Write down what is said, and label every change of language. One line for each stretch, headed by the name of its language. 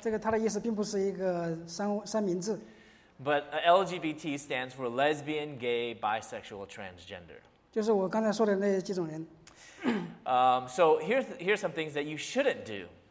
Chinese: 你们如果不知道它的意思的话，这个它的意思并不是一个三明治。
English: But LGBT stands for lesbian, gay, bisexual, transgender.
Chinese: 就是我刚才说的那几种人。
English: So here's some things that you shouldn't do.